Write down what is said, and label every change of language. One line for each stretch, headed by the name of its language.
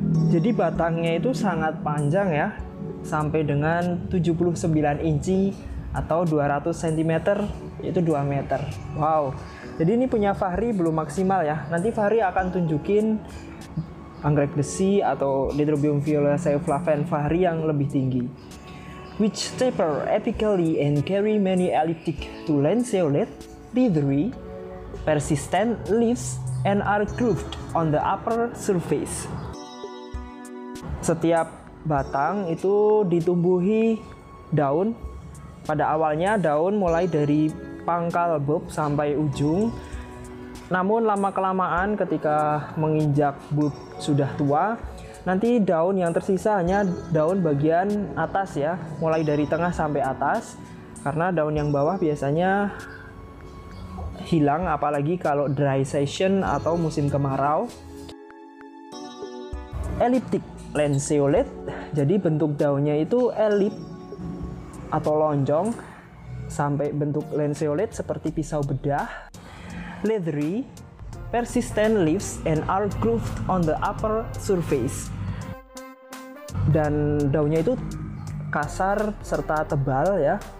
Indonesian: Jadi batangnya itu sangat panjang ya, sampai dengan 79 inci atau 200 cm, yaitu 2 meter. Wow. Jadi ini punya Fahri belum maksimal ya. Nanti Fahri akan tunjukin anggrek besi atau Dendrobium violaceo flavens Fahri yang lebih tinggi.
English: Which taper apically and carry many elliptic to lanceolate, feathery, persistent leaves, and are grooved on the upper surface.
Indonesian: Setiap batang itu ditumbuhi daun. Pada awalnya daun mulai dari pangkal bulb sampai ujung. Namun lama-kelamaan ketika menginjak bulb sudah tua, nanti daun yang tersisa hanya daun bagian atas ya, mulai dari tengah sampai atas, karena daun yang bawah biasanya hilang, apalagi kalau
English: dry season
Indonesian: atau musim kemarau. Elliptic lanceolate, jadi bentuk daunnya itu elip atau lonjong sampai bentuk lanceolate seperti pisau bedah.
English: Leathery, persistent leaves and are grooved on the upper surface.
Indonesian: Dan daunnya itu kasar serta tebal ya.